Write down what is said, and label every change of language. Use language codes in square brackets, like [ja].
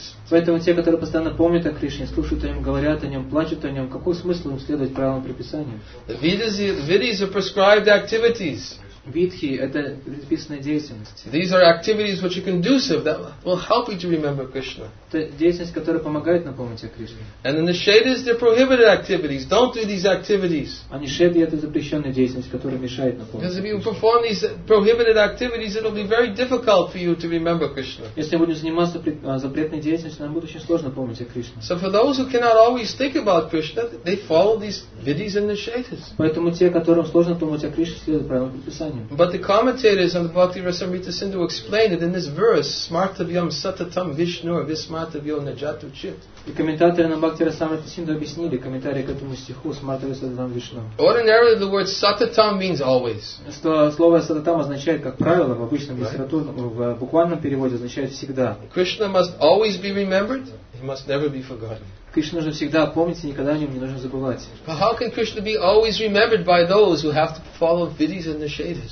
[ru] Поэтому те, которые постоянно помнят о Кришне, слушают о нем, говорят о нем, плачут о нем, какой смысл им следовать правилам приписания? [en] Vidhis are prescribed activities. [ru] Vidhi – это предписанная деятельность. [en] These are activities which are conducive that will help you to remember Krishna. [ru] Это деятельность, которая помогает напомнить о Кришне. [en] And the nishedhas – they're prohibited activities. Don't do these activities. [ru] А нишеды – это запрещенная деятельность, которая мешает напомнить. [en] Because if you perform these prohibited activities, it'll be very difficult for you to remember Krishna. [ru] Если будем заниматься запретной деятельностью, нам будет очень сложно помнить о Кришне. [en] So for those who cannot always think about Krishna, they follow these vidhis and nishedhas. [ru] Поэтому те, которым сложно помнить о Кришне, следуют правилам приписания. [en] But the commentators on the Bhakti Rasamrita Sindhu explain it in this verse, [sa] Smartavyam Satatam Vishnur Vismartavyam Najatu Chit. [ru] И комментаторы на Бхакти Расамрита Синду объяснили комментарии к этому стиху [sa] Смартави Сататам Вишну. [en] Ordinarily the word Satatam means always. [ru] Что слово Сататам означает, как правило, в обычном литературном, в буквальном переводе означает всегда. [en] Krishna must always be remembered, he must never be forgotten. [ru] Кришну нужно всегда помнить и никогда о нем не нужно забывать. [en] But how can Krishna be always remembered by those who have to follow vidhis and nishedhas?